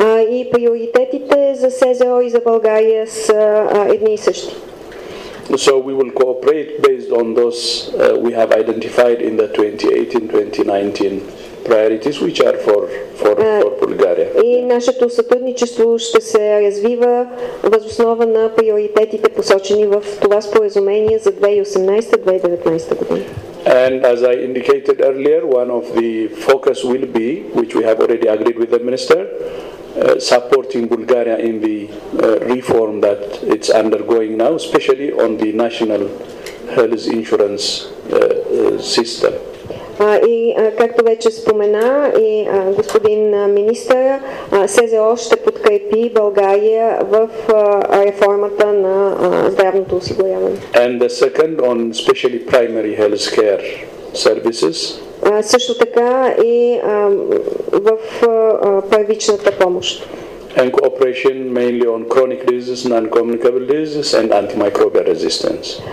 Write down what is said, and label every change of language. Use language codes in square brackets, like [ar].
[bg] И приоритетите за СЗО и за България са едни и същи. [en] So we will cooperate based on those we have identified in the 2018-2019 priorities which are for Bulgaria. [bg] И нашето сътрудничество ще се развива въз основа на приоритетите посочени в това споразумение за 2018-2019 година. [en] And as I indicated earlier, one of the focus will be, which we have already agreed with the minister, supporting Bulgaria in the reform that it's undergoing now, especially on the national health insurance system. [bg] И както вече спомена и господин министър, СЗО ще подкрепи България в реформата на здравното осигуряване. [en] And the second on specially primary healthcare services. [bg] Също така и в първичната помощ. [en] And cooperation mainly on chronic diseases, non-communicable diseases and antimicrobial resistance.